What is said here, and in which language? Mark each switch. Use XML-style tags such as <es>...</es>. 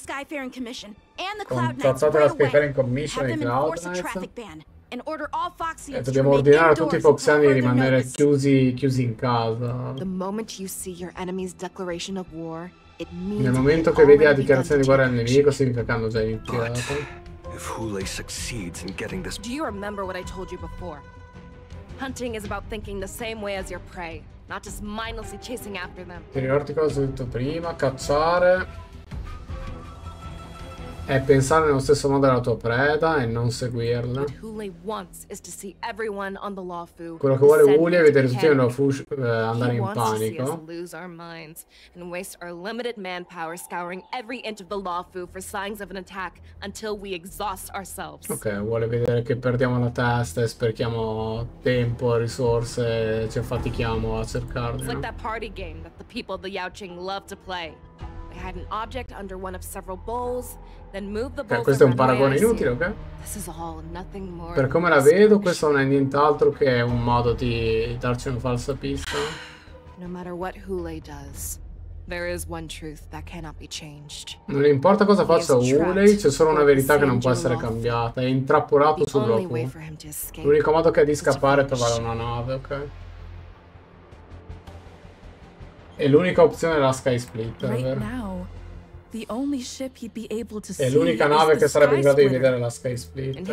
<it>la Skyfaring Commission e i Cloud Knights. E dobbiamo ordinare a tutti i Foxiani di rimanere chiusi in casa. Nel momento che vedi la dichiarazione di guerra al nemico, significa che hanno già iniziato.</it> <en>If Uli succeeds in getting this. Do you remember what I told you before? Hunting is about thinking the same way as your prey, not just mindlessly chasing after them.</en> <it>Ti ricordi cosa ho detto prima? Cacciare è pensare nello stesso modo alla tua preda e non seguirla. Quello che vuole Uli è vedere tutti i Luofu andare in panico. Ok, vuole vedere che perdiamo la testa e sprechiamo tempo, risorse, ci affatichiamo a cercarli. È come quel gioco di party che le persone di Yao Qing amano giocare.</it> <en>I had an object under one of several bowls, then moved the bowl.</en> <it>Questo è un paragone inutile, ok?</it> <en>This is all nothing more.</en> <it>Per come la vedo, questo non è nient'altro che un modo di darci una falsa pista.</it> <en>No matter what Hule does, there is one truth that cannot be changed.</en> <it>Non importa cosa faccia Hule, c'è solo una verità che non può essere cambiata. È intrappolato sul blocco. L'unico modo che ha di scappare è trovare una nave, ok? E l'unica opzione è la Sky Splitter. È l'unica nave che sarebbe in grado di vedere la Sky Splitter.</it>